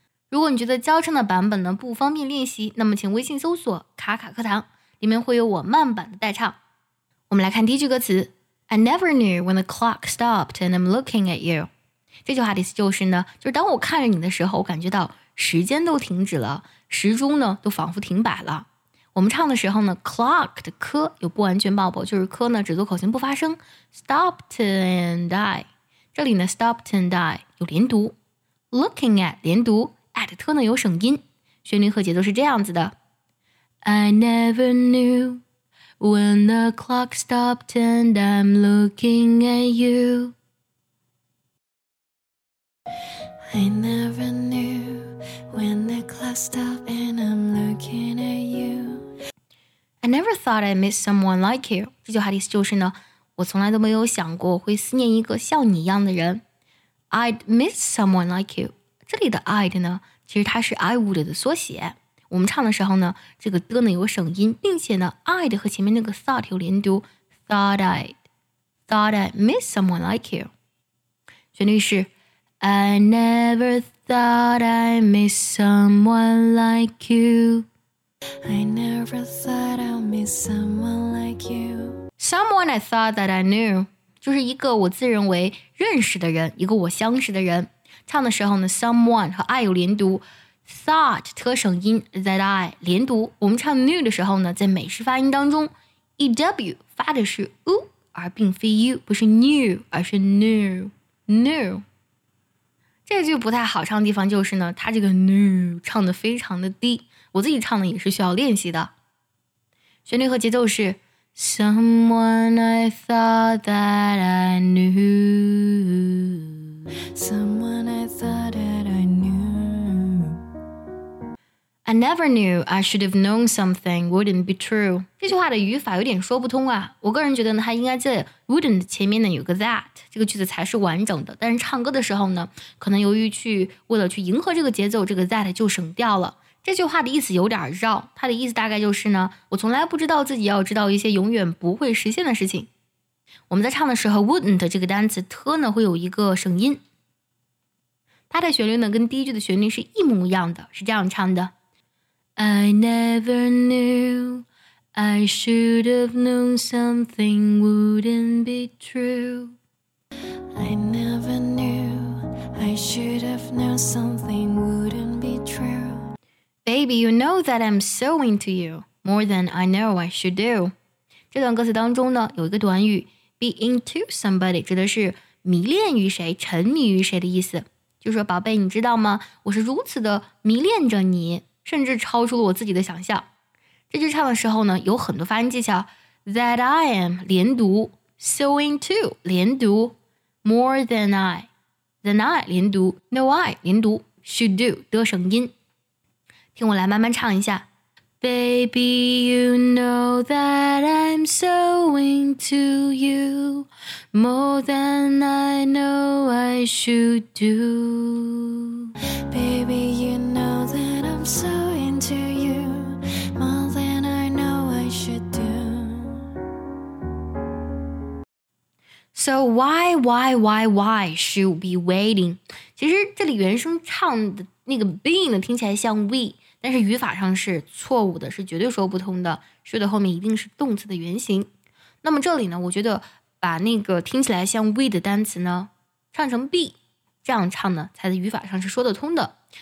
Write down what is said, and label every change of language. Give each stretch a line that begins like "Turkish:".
Chinese: 如果你觉得教唱的版本呢不方便练习，那么请微信搜索卡卡课堂，里面会有我慢版的代唱。我们来看第一句歌词
English: I never knew when the clock stopped and I'm looking at you.
Chinese: 这句话的意思就是呢，就是当我看着你的时候，我感觉到时间都停止了，时钟呢都仿佛停摆了。我们唱的时候呢 ，clock 的 k 有不完全抱抱，就是 k 呢只做口型不发声。
English: Stopped and I，
Chinese: 这里呢
English: stopped and I 有连读。 Looking at
Chinese: 连读 ，at 特呢有省音，旋律和节奏是这样子的。
English: I never knew when the clock stopped and I'm looking at you. I never knew. When the clock stopped and I'm looking at you. I never thought I'd miss someone like you.
Chinese: 这句话的意思就是呢，我从来都没有想过会思念一个像你一样的人。
English: I'd miss someone like you.
Chinese: 这里的 I'd 呢，其实它是 I would 的缩写。我们唱的时候呢，这个的呢有省音，并且呢 I'd 和前面那个 thought 有连读。
English: Thought I'd miss someone like you.
Chinese: 旋律是
English: I never thought I miss someone like you. I never thought I'd miss someone like you. Someone I thought that I knew.
Chinese: 就是一个我自认为认识的人，一个我相识的人。唱的时候呢 ,someone 和 I 有连读。
English: Thought,
Chinese: 特省音
English: that I, 连读。
Chinese: 我们唱 knew 的时候呢，在美式发音当中 ,EW 发的是 U, 而并非 U, 不是 new, 而是 new. 这句不太好唱的地方就是呢，它这个 nu 唱的非常的低，我自己唱的也是需要练习的。旋律和节奏是
English: Someone I thought that I knew Someone I thought that I knew I never knew I should have known something wouldn't be true
Chinese: 这句话的语法有点说不通啊，我个人觉得呢，它应该在 wouldn't 前面呢有个 that这个句子才是完整的，但是唱歌的时候呢，可能由于去为了去迎合这个节奏，这个 that 就省掉了。这句话的意思有点绕，它的意思大概就是呢，我从来不知道自己要知道一些永远不会实现的事情。我们在唱的时候 wouldn't 这个单词 t 呢会有一个省音，它的旋律呢跟第一句的旋律是一模一样的，是这样唱的
English: I never knew I should have known something wouldn't be trueI never knew I should have known something wouldn't be true. Baby, you know that I'm so into you more than I know I should do.
Chinese: 这段歌词当中呢，有一个短语
English: be into somebody，
Chinese: 指的是迷恋于谁、沉迷于谁的意思。就说宝贝，你知道吗？我是如此的迷恋着你，甚至超出了我自己的想象。这句唱的时候呢，有很多发音技巧。
English: That I am 连读 ，so into 连读。 More than I 连读 ，no I 连读 ，should do 的省音。
Chinese: 听我来慢慢唱一下
English: ，Baby, you know that I'm so into you, more than I know I should do. Baby, you know that I'm so into you, more than I know I should do. So why should be waiting?
Chinese: 其实这里原声唱的那个 being 听起来像 we， 但是语法上是错误的，是绝对说不通的。 should 后面一定是动词的原形。那么这里呢，我觉得把那个听起来像 we 的单词呢唱成 be， 这样唱呢才在语法上是说得通的。